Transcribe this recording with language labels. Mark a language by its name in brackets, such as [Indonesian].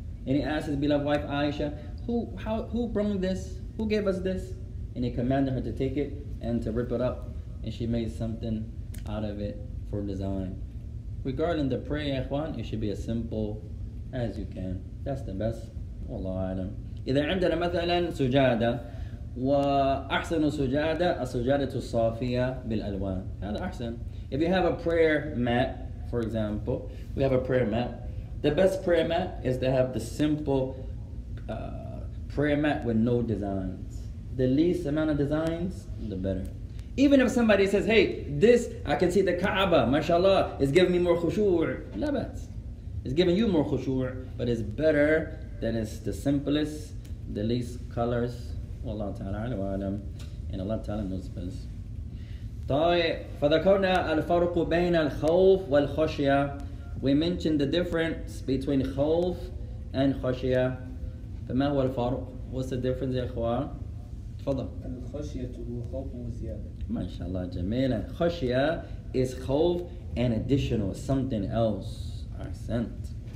[English] And he asked his beloved wife Aisha, who brought this? Who gave us this? And he commanded her to take it and to rip it up. And she made something out of it for design. Regarding the prayer, ikhwan, it should be as simple as you can. That's the best. Wallahu a'lam. [Arabic] إذا عندنا مثلا سجادة وأحسن سجادة السجادة الصافية بالألوان هذا أحسن. [English] If you have a prayer mat, for example, we have a prayer mat. The best prayer mat is to have the simple prayer mat with no designs. The least amount of designs, the better. Even if somebody says, hey, this, I can see the Kaaba, mashallah, it's giving me more khushu'. [Arabic] لا بأس. [English] It's giving you more khushu', but it's better than it's the simplest. The least colors, Allah Ta'ala a'lam, and Allah Ta'ala knows best. [Arabic] طيب فذكرنا الفرق بين الخوف والخشية. [English] We mentioned the difference between خوف and خشية. [Arabic] فما هو الفرق؟ [English] What's the difference, [Arabic] يا إخوان؟ تفضل. الخشية هو خوف وزيادة. ما شاء الله جميلة. [English] خشية is خوف and additional something else. Accent.